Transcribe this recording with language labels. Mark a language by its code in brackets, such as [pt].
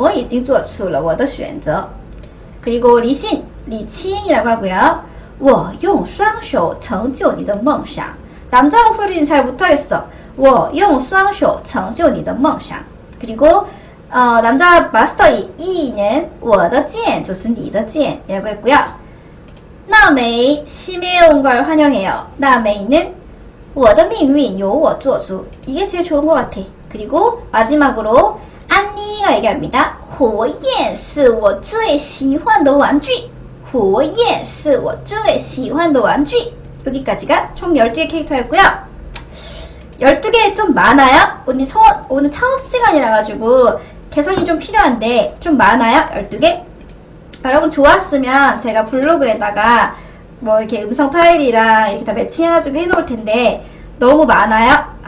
[zh] 我已经做出了我的选择. [ko] 그리고 리신, 리친이라고 하고요. [zh] 我用双手成就你的梦想. [ko] 남자 목소리는 잘 못하겠어. [zh] 我用双手成就你的梦想. [ko] 그리고 남자 마스터이 이는 [zh] 我的剑, 就是你的剑 [ko] 이라고 했고요. 나메이 심해온 걸 환영해요. [zh] 나메이는 我的命运由我做主. [ko] 이게 제일 좋은 것 같아. 그리고 마지막으로 안니가 얘기합니다. [zh] 火焰是我最喜欢的玩具.火焰是我最喜欢的玩具. [ko] 여기까지가 총 12개 캐릭터였고요. 12개 좀 많아요? 오늘 창업 시간이라가지고 개선이 좀 필요한데 좀 많아요? 12개? 여러분 좋았으면 제가 블로그에다가 뭐 이렇게 음성 파일이랑 이렇게 다 매칭해가지고 해놓을 텐데 너무 많아요?